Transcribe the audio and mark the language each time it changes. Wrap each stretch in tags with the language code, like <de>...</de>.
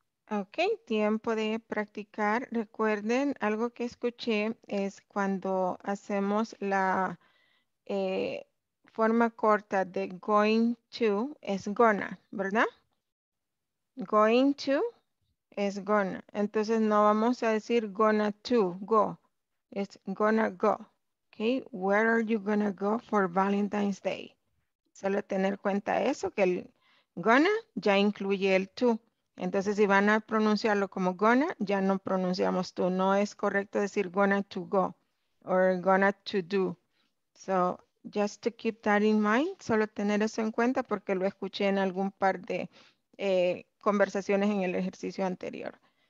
<es>Ok, tiempo de practicar. Recuerden, algo que escuché es cuando hacemos la forma corta de going to es gonna, ¿verdad? Going to es gonna. Entonces no vamos a decir gonna to, go.</es> <en>It's gonna go. Ok, where are you gonna go for Valentine's Day?</en> <es>Solo tener cuenta eso, que el gonna ya incluye el to. Entonces, si van a pronunciarlo como gonna, ya no pronunciamos to. No es correcto decir gonna to go or gonna to do.</es> <en>So, just to keep that in mind,</en> <es>solo tener eso en cuenta porque lo escuché en algún par de conversaciones en el ejercicio anterior.</es>